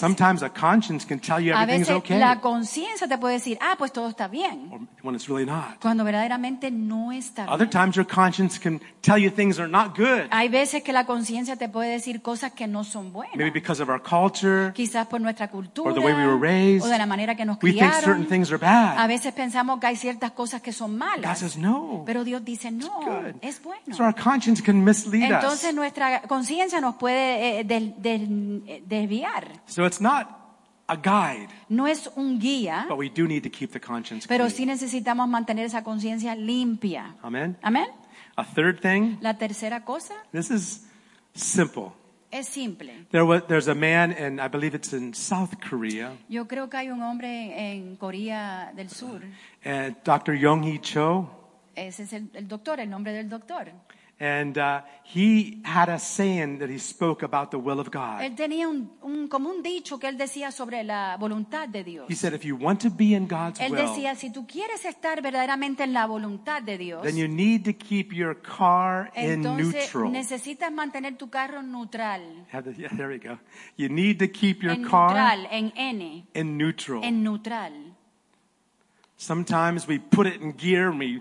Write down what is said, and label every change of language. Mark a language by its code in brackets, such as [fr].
[en] Sometimes a conscience can tell you everything's okay. [es] A veces la conciencia te puede decir, ah, pues todo está bien. [en] Or when it's really not. [es] Cuando verdaderamente no está bien. [en] Other times your conscience can tell you things are not good. [es] Hay veces que la conciencia te puede decir cosas que no son buenas. [en] Maybe because of our culture. [es] Quizás por nuestra cultura. [en] Or the way we were raised. [es] O de la manera que nos criaron. [en] We think certain things are bad. [es] A veces pensamos que hay ciertas cosas que son malas. [en] God says no. [es] Pero Dios dice no. [en] It's good. [es] Es bueno. [en] So our conscience can mislead [es] entonces, Entonces nuestra conciencia nos puede desviar. [en] So it's not a guide. [es] No es un guía. [en] But we do need to keep the conscience [es] pero [en] clean. [es] Sí necesitamos mantener esa conciencia limpia. [en] Amen. [es] Amen. [en] A third thing. [es] La tercera cosa. [en] This is simple. [es] Es simple. [en] There's a man in, I believe it's in South Korea. [es] Yo creo que hay un hombre en Corea del Sur. [en] Dr. Yong-hee Cho. [es] Ese es el doctor, el nombre del doctor. [en] And he had a saying that he spoke about the will of God. [es] Él tenía un como un dicho que él decía sobre la voluntad de Dios. [en] He said, "If you want to be in God's will." [es] Él decía, si tú quieres estar verdaderamente en la voluntad de Dios, [en] then you need to keep your car in neutral. [es] Entonces necesitas mantener tu carro neutral. [en] Yeah, there we go. You need to keep your [es] en [en] car [es] neutral, en N, [en] in neutral. [es] En neutral. [en] Sometimes we put it in gear and we